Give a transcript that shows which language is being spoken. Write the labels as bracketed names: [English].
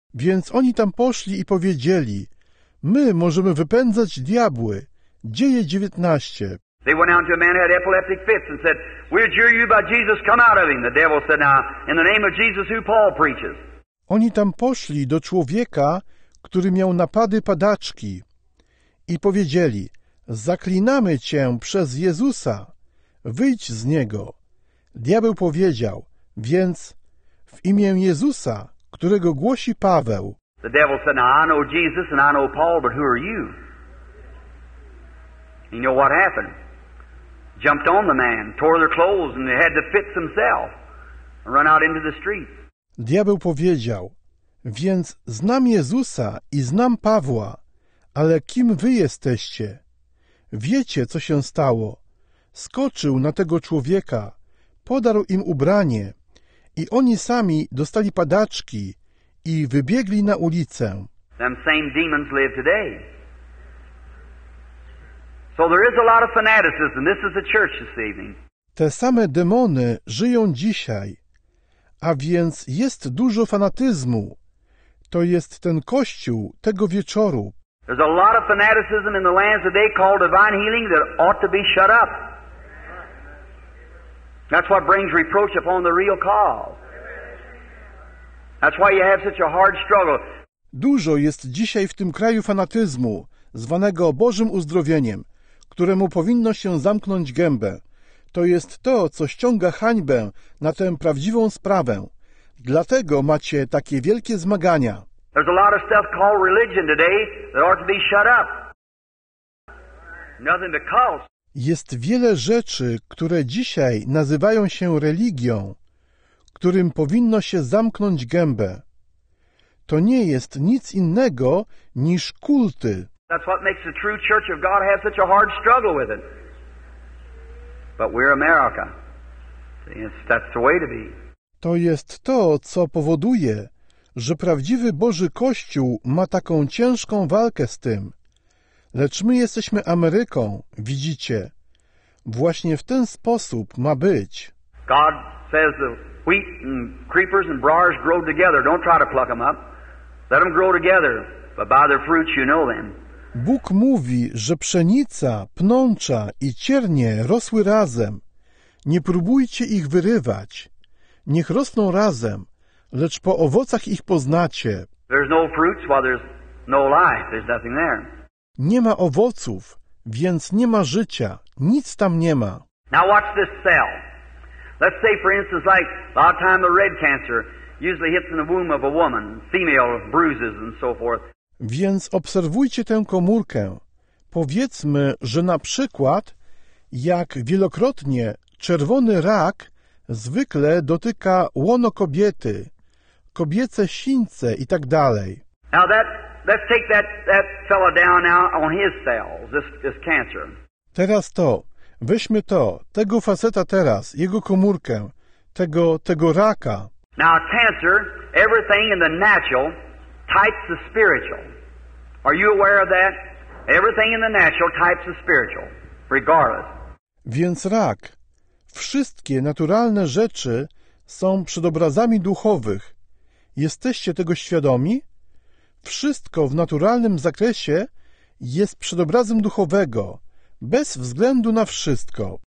[Polish] Więc oni tam poszli i powiedzieli, my możemy wypędzać diabły. Dzieje 19. [English] They went out to a man who had epileptic fits and said, we adjure you by Jesus, come out of him. The devil said, now, in the name of Jesus, who Paul preaches. [Polish] Oni tam poszli do człowieka, który miał napady padaczki i powiedzieli, zaklinamy cię przez Jezusa, wyjdź z niego. Diabeł powiedział, więc w imię Jezusa, którego głosi Paweł. [English] The devil said, now I know Jesus and I know Paul, but who are you? You know what happened? Jumped on the man, tore their clothes and they had the fits himself and run out into the streets. [Polish] Diabeł powiedział, więc znam Jezusa i znam Pawła, ale kim wy jesteście? Wiecie, co się stało. Skoczył na tego człowieka, podarł im ubranie i oni sami dostali padaczki i wybiegli na ulicę. [English] Them same demons live today. So there is a lot of fanaticism. This is the church this evening. [Polish] Te same demony żyją dzisiaj. A więc jest dużo fanatyzmu. To jest ten kościół tego wieczoru. [English] There's a lot of fanaticism in the lands that they call divine healing that ought to be shut up. That's what brings reproach upon the real cause. That's why you have such a hard struggle. [Polish] Dużo jest dzisiaj w tym kraju fanatyzmu, zwanego Bożym uzdrowieniem, któremu powinno się zamknąć gębę. To jest to, co ściąga hańbę na tę prawdziwą sprawę. Dlatego macie takie wielkie zmagania. [English] There's a lot of stuff called religion today that ought to be shut up. Nothing but cults. [Polish] Jest wiele rzeczy, które dzisiaj nazywają się religią, którym powinno się zamknąć gębę. To nie jest nic innego niż kulty. [English] That's what makes the true church of God have such a hard struggle with it. But we're America. That's the way to be. [Polish] To jest to, co powoduje, że prawdziwy Boży Kościół ma taką ciężką walkę z tym. Lecz my jesteśmy Ameryką, widzicie. Właśnie w ten sposób ma być. [English] God says the wheat and creepers and briars grow together. Don't try to pluck them up. Let them grow together, but by their fruits you know them. [Polish] Bóg mówi, że pszenica, pnącza i ciernie rosły razem. Nie próbujcie ich wyrywać. Niech rosną razem, lecz po owocach ich poznacie. [English] There's no fruits while there's no life. There's nothing there. [Polish] Nie ma owoców, więc nie ma życia. Nic tam nie ma. [English] Now watch this cell. Let's say for instance like a lot of time the red cancer usually hits in the womb of a woman, female bruises and so forth. [Polish] Więc obserwujcie tę komórkę. Powiedzmy, że na przykład, jak wielokrotnie czerwony rak zwykle dotyka łono kobiety, kobiece sińce i tak dalej. [English] Now let's take that fellow down now on his cells, this cancer. [Polish] Teraz to, weźmy to, tego faceta teraz, jego komórkę, tego raka. [English] Now cancer, everything in the natural types the spiritual. Are you aware of that? Everything in the natural types the spiritual, regardless. [Polish] Więc rak. Wszystkie naturalne rzeczy są przedobrazami duchowych. Jesteście tego świadomi? Wszystko w naturalnym zakresie jest przedobrazem duchowego, bez względu na wszystko.